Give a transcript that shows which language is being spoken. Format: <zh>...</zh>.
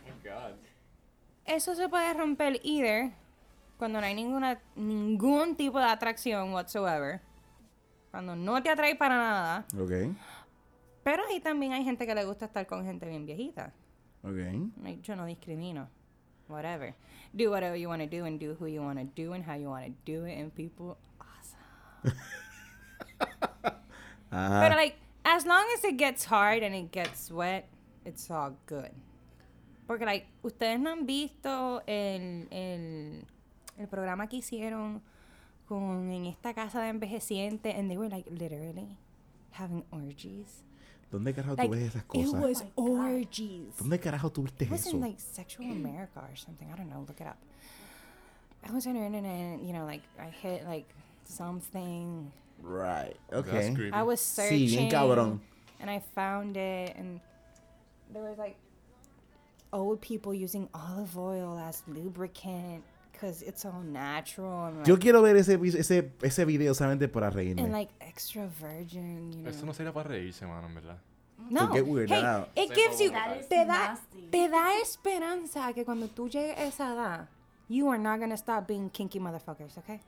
<en>Oh, God.</en> <es>Eso se puede romper either cuando no hay ningún tipo de atracción whatsoever. Cuando no te atrae para nada.</es> <en>Okay.</en> <es>Pero ahí también hay gente que le gusta estar con gente bien viejita.</es> <en>Okay.</en> <es>Yo no discrimino. Whatever.</es> <en>Do whatever you want to do and do who you want to do and how you want to do it and people... Awesome. Uh-huh. But like, as long as it gets hard and it gets wet, it's all good.</en> <es>Porque, like, ustedes no han visto el programa que hicieron con en esta casa de envejeciente,</es> <en>and they were, like, literally having orgies.</en> <es>¿Dónde carajo tú ves esas cosas?</es> <en>It was orgies.</en> <es>¿Dónde carajo tú viste eso?</es> <en>It was in like Sexual America or something. I don't know. Look it up. I was on the internet, you know, like I hit like something. Right. Okay. That's creepy. I was searching.</en> <es>Sí, bien cabrón.</es> <en>And I found it, and there was like old people using olive oil as lubricant. Because it's all natural.</en> <es>Yo quiero ver ese video solamente para reírme.</es> <en>And like extra virgin, you know.</en> <es>Eso no sería para reírse, mano, en verdad.</es> <en>No. To get weird now. Hey, it gives you...</en> <es>Te da esperanza que cuando tú llegues a esa edad,</es> <en>you are not going to stop being kinky motherfuckers, okay?</en>